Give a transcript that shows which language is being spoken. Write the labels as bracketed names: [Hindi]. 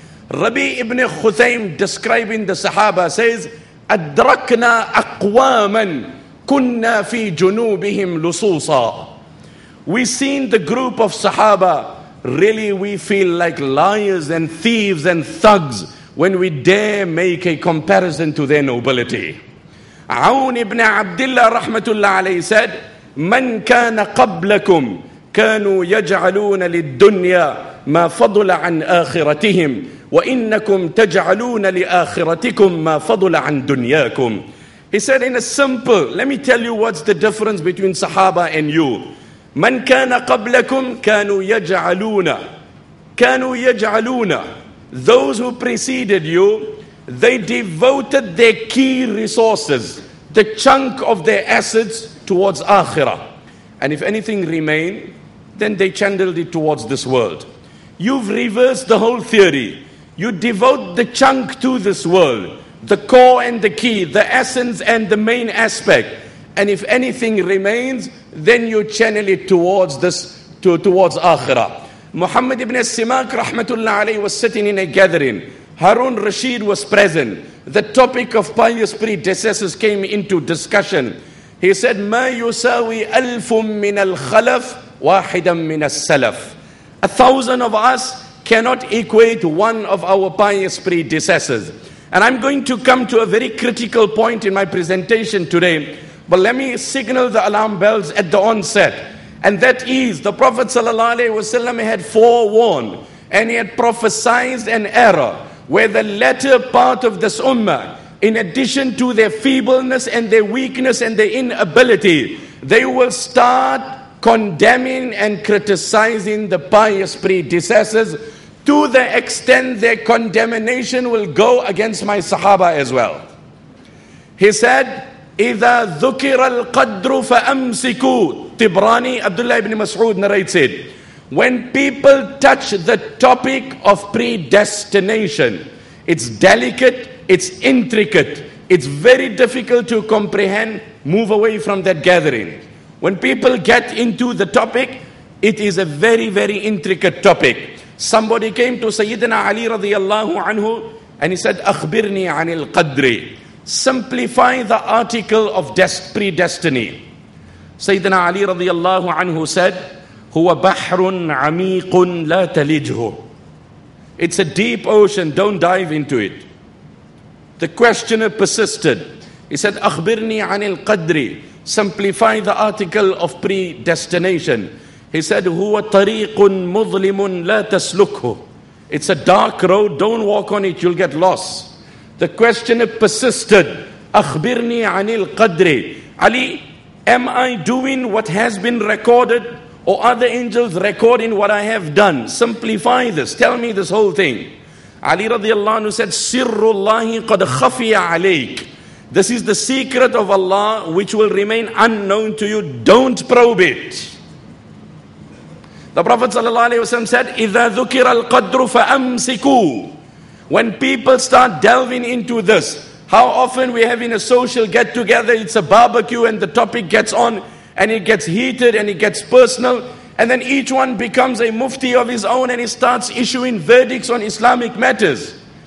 [English] Rabi ibn Khuthaym, describing the Sahaba, says, [Arabic] أدركنا أقواما كنا في جنوبهم لصوصا. [English] We seen the group of Sahaba, really we feel like liars and thieves and thugs when we dare make a comparison to their nobility. [Arabic] عون ابن عبد الله رحمة الله عليه [English] said, [Arabic] من كان قبلكم كانوا يجعلون للدنيا ما فضل عن آخرتهم وَإِنَّكُمْ تَجْعَلُونَ لِآخِرَتِكُمْ مَا فَضُلَ عَنْ دُنْيَاكُمْ. [English] He said in a simple, let me tell you what's the difference between Sahaba and you. [Arabic] مَنْ كَانَ قَبْلَكُمْ كَانُوا يَجْعَلُونَ. كَانُوا يَجْعَلُونَ. [English] Those who preceded you, they devoted their key resources, the chunk of their assets, towards Akhirah. And if anything remained, then they channeled it towards this world. You've reversed the whole theory. You devote the chunk to this world, the core and the key, the essence and the main aspect. And if anything remains, then you channel it towards this, towards Akhirah. Muhammad ibn Simak rahmatullah alayhi was sitting in a gathering. Harun Rashid was present. The topic of pious predecessors came into discussion. He said, [Arabic] ما يساوي ألف من الخلف واحدا من السلف. [English] 1,000 of us cannot equate one of our pious predecessors. And I'm going to come to a very critical point in my presentation today. But let me signal the alarm bells at the onset. And that is, the Prophet sallallahu alaihi wasallam had forewarned and he had prophesied an era where the latter part of this ummah, in addition to their feebleness and their weakness and their inability, they will start condemning and criticizing the pious predecessors to the extent their condemnation will go against my Sahaba as well. He said, [Arabic] إِذَا ذُكِرَ الْقَدْرُ فَأَمْسِكُوا. [English] Tibrani, Abdullah ibn Mas'ud narrates it. When people touch the topic of predestination, it's delicate, it's intricate, it's very difficult to comprehend, move away from that gathering. When people get into the topic, it is a very, very intricate topic. Somebody came to Sayyidina Ali radiallahu anhu and he said, [Arabic] أخبرني عن القدر. [English] Simplify the article of predestiny. [Arabic] Sayyidina Ali radiallahu anhu [English] said, [Arabic] هو بحر عميق لا تلجه. [English] It's a deep ocean, don't dive into it. The questioner persisted. He said, [Arabic] أخبرني عن القدر. [English] Simplify the article of predestination. He said, [Arabic] هو طريق مظلم لا تسلكه. [English] It's a dark road, don't walk on it, you'll get lost. The questioner persisted, [Arabic] أخبرني عن القدر. [English] Ali, am I doing what has been recorded, or are the angels recording what I have done? Simplify this, tell me this whole thing. [Arabic] Ali radiallahu anhu [English] said, [Arabic] سر الله قد خفي عليك. [English] This is the secret of Allah which will remain unknown to you. Don't probe it. The Prophet ﷺ said, [Arabic] إِذَا ذُكِرَ الْقَدْرُ فَأَمْسِكُوا. [English] When people start delving into this, how often we have in a social get-together, it's a barbecue and the topic gets on and it gets heated and it gets personal, and then each one becomes a mufti of his own and he starts issuing verdicts on Islamic matters.